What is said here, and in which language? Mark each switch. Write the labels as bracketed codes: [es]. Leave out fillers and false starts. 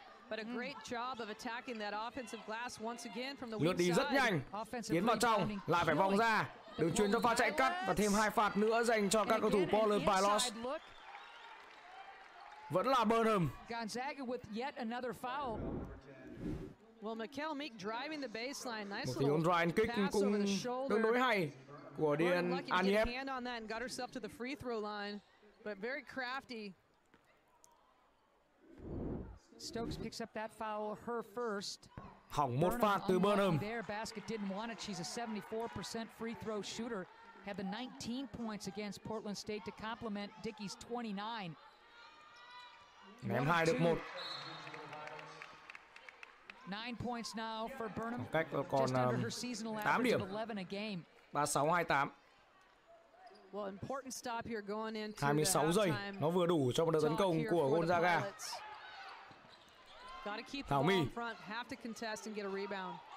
[en] But a great job of attacking that offensive glass once again from the weak side. [vi] Lướt đi rất nhanh, tiến vào trong, lại phải vòng ra. Đường truyền cho pha chạy cắt và thêm 2 phạt nữa dành cho các cầu thủ Portland Pylos. Vẫn là Burnham. [en] Gonzaga with yet another foul. Well, Mikael Meek driving the baseline. Nice little pass over the shoulder. [vi] Tương đối hay của Dean Anyep. [en] Hand on that and got herself to the free throw line, but very crafty. Stokes picks up that foul, her first. [vi] Hỏng một phạt từ Burnham. [en] There, basket didn't want it. She's a 74% free throw shooter. Had the 19 points against Portland State to complement Dickey's 29. [vi] Ném hai được một. [en] 9 points now for Burnham. [vi] Cách còn 8 điểm. [en] 11 a game. 36-28. Well, important stop here going into [vi] 26 giây. Nó vừa đủ cho một đợt tấn công của Gonzaga. [en] Got to keep the ball in front, have to contest and get a rebound.